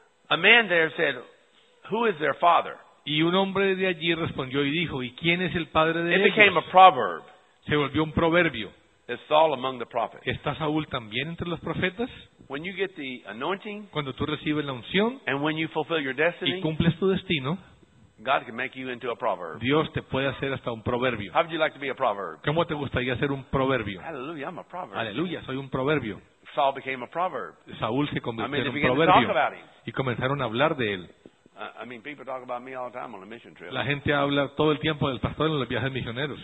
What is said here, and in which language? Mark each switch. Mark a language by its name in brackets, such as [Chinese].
[English] A man there said, "Who is their father?" [Spanish] Y un hombre de allí respondió y dijo, "¿Y quién es el padre de [English] ellos?" It became a proverb. [Spanish] Se volvió un proverbio. [English] Is Saul among the prophets? [Spanish] ¿Está Saúl también entre los profetas? [English] When you get the anointing, [Spanish] cuando tú recibes la unción, [English] and when you fulfill your destiny, [Spanish] y cumples tu destino, [English] God can make you into a proverb. [Spanish] Dios te puede hacer hasta un proverbio. [English] How would you like to be a proverb? [Spanish] ¿Cómo te gustaría ser un proverbio? [English] Hallelujah, I'm a proverb. [Spanish] Aleluya, soy un proverbio. [English] Saul became a proverb. [Spanish] Saúl se convirtió en un [English] began [Spanish] proverbio. [English] To talk about him. [Spanish] Y comenzaron a hablar de él. [English] I mean, people talk about me all the time on a mission trip. [Spanish] La gente habla todo el tiempo del pastor en los viajes misioneros.